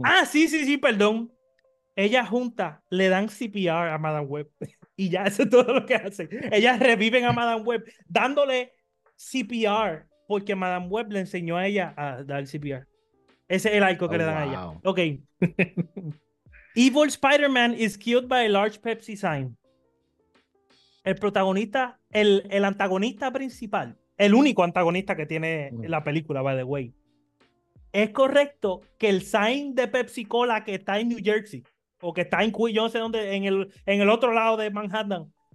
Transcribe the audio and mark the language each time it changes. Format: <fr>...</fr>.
<es>Ah, sí, perdón. Ellas juntas le dan CPR a Madame Web. Y ya eso es todo lo que hacen. Ellas reviven a Madame Web dándole CPR porque Madame Web le enseñó a ella a dar CPR. Ese es el arco que le dan a ella. Ok.</es> <en>Evil Spider-Man is killed by a large Pepsi sign.</en> <es>El protagonista, el antagonista principal, el único antagonista que tiene la película,</es> <en>by the way,</en> <es>es correcto que el sign de Pepsi Cola que está en New Jersey o que está en Queens, yo no sé dónde, en el otro lado de Manhattan.</es>